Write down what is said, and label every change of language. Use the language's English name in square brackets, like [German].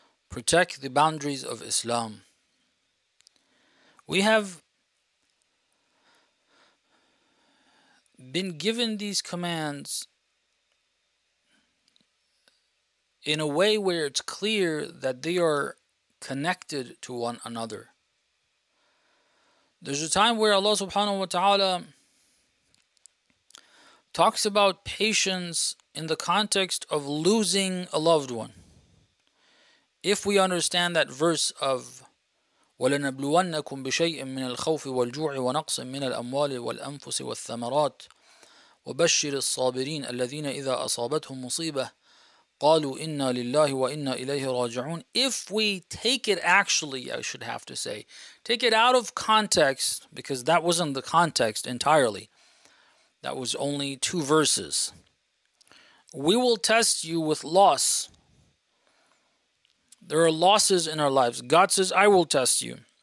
[English] Protect the boundaries of Islam. We have been given these commands in a way where it's clear that they are connected to one another. There's a time where Allah subhanahu wa ta'ala talks about patience in the context of losing a loved one. If we understand that verse of [Arabic] وَلَنَبْلُوَنَّكُمْ بِشَيْءٍ مِّنَ الْخَوْفِ وَالْجُوعِ وَنَقْصٍ مِّنَ الْأَمْوَالِ وَالْأَنفُسِ وَالثَّمَرَاتِ وَبَشِّرِ الصَّابِرِينَ الَّذِينَ إِذَا أَصَابَتْهُمْ مُصِيبَةٌ قَالُوا إِنَّا لِلَّهِ وَإِنَّا إِلَيْهِ رَاجِعُونَ. [English] If we take it actually, I should have to say, take it out of context, because that wasn't the context entirely. That was only two verses. We will test you with loss. There are losses in our lives. God says, I will test you.